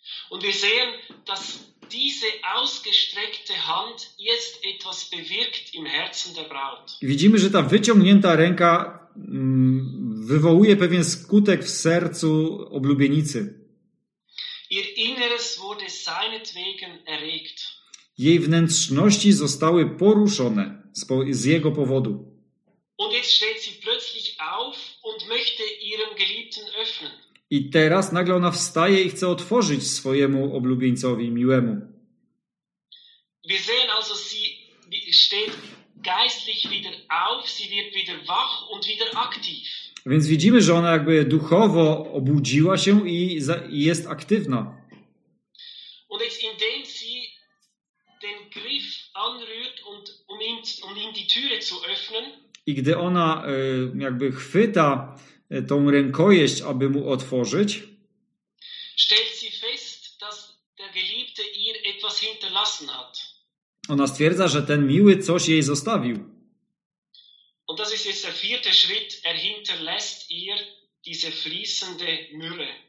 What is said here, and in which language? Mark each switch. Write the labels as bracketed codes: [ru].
[de] Und wir sehen, dass diese ausgestreckte Hand jetzt etwas bewirkt im Herzen der Braut. [pl] Widzimy, że ta wyciągnięta ręka wywołuje pewien skutek w sercu oblubienicy. [de] Ihr Inneres wurde seinetwegen erregt. [pl] Jej wnętrzności zostały poruszone z jego powodu. [de] Und jetzt steht sie plötzlich auf und möchte ihrem Geliebten öffnen. [pl] I teraz nagle ona wstaje i chce otworzyć swojemu oblubieńcowi, miłemu. [de] Wir sehen also, sie steht geistlich wieder auf, sie wird wieder wach und wieder aktiv. [pl] Więc widzimy, że ona jakby duchowo obudziła się i jest aktywna. [de] Und jetzt, indem sie den Griff anrührt und um ihm die Türe zu öffnen. [pl] I gdy ona jakby chwyta tą rękojeść, aby mu otworzyć, [de] stellt sie fest, dass der Geliebte ihr etwas hinterlassen hat. [pl] Ona stwierdza, że ten miły coś jej zostawił. [de] Und das ist jetzt der vierte Schritt. Er hinterlässt ihr diese fließende Myrrhe.